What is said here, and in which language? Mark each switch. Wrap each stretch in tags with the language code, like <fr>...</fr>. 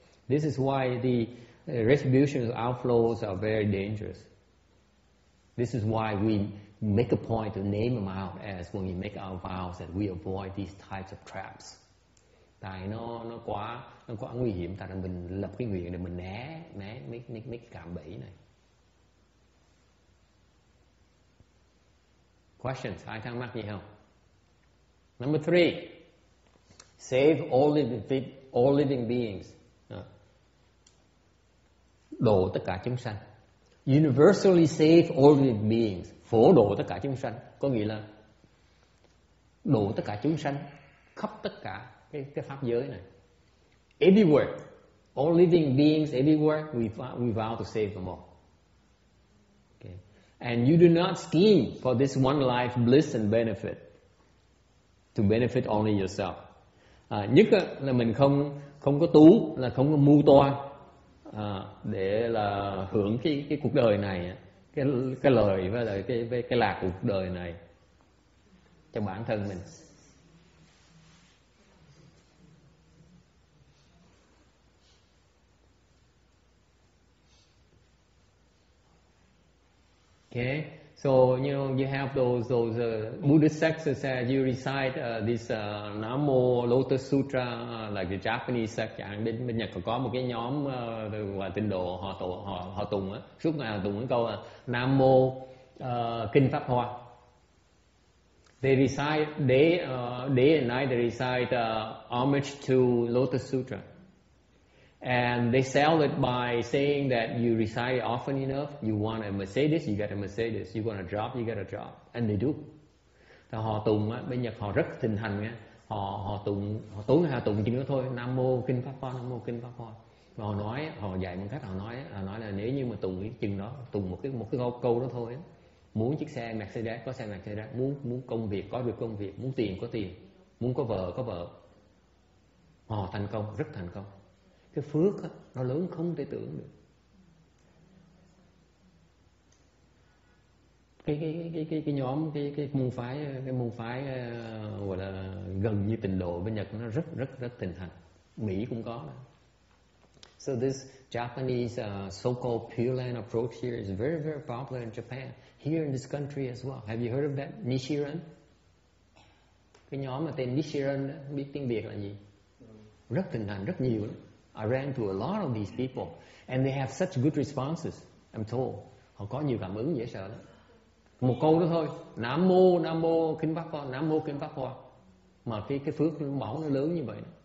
<en>This is why the retribution of outflows are very dangerous. This is why we make a point to name them out as when we make our vows that we avoid these types of traps.</en> <vi>Tại nó quá nguy hiểm, tại là mình lập cái nguyện để mình né mấy cái cạm bẫy này.</vi> <en>Questions?</en> <vi>Ai thắc mắc gì không?</vi> <en>Number three, save all living beings.</en> <vi>Độ tất cả chúng sanh.</vi> <en>Universally save all living beings.</en> <vi>Phổ độ tất cả chúng sanh. Có nghĩa là độ tất cả chúng sanh khắp tất cả cái pháp giới này.</vi> <en>Everywhere, all living beings everywhere, we vow to save them all. And you do not scheme for this one life bliss and benefit to benefit only yourself.</en> <vi>Nhất là mình không có tú, là không có mưu toan để là hưởng cái cuộc đời này, cái lời và lời cái lạc cuộc đời này cho bản thân mình.</vi> <en>Okay, so you know you have those Buddhist sects that say you recite this Namo Lotus Sutra, like the Japanese sect.</en> <vi>Chẳng bên Nhật có một cái nhóm và Tịnh độ họ tụng á, suốt ngày tụng cái câu Namo Kinh Pháp Hoa.</vi> <en>They recite day and night. They recite homage to Lotus Sutra, And they sell it by saying that you recite often enough, you want a Mercedes, you get a Mercedes. You want a job, you get a job. And they do.</en> <vi>Thì họ tụng á, bên Nhật họ rất thịnh hành nha. Họ họ tụng, họ tối ngày họ tụng chỉ nữa thôi. Nam mô kinh Pháp Hoa, Nam mô kinh Pháp Hoa. Và họ nói, họ dạy bằng cách họ nói là nếu như mà tụng cái chừng đó, tụng một cái câu đó thôi á, muốn chiếc xe Mercedes có xe Mercedes, muốn muốn công việc có được công việc, muốn tiền có tiền, muốn có vợ có vợ, họ thành công, rất thành công. Cái phước á, nó lớn không thể tưởng được. Cái môn phái gọi là gần như tịnh độ bên Nhật nó rất rất rất thịnh hành. Mỹ cũng có.</vi> <en>So this Japanese so-called Pureland approach here is very very popular in Japan, here in this country as well. Have you heard of that Nichiren?</en> <vi>Cái nhóm mà tên Nichiren đó, biết tiếng Việt là gì? Rất thịnh hành, rất nhiều.</vi> <en>I ran to a lot of these people and they have such good responses, I'm told.</en> <vi>Họ có nhiều cảm ứng dễ sợ lắm. Một câu đó thôi, nam mô kinh Pháp Hoa, nam mô kinh Pháp Hoa. Mà cái phước nó bảo nó lớn như vậy.</vi>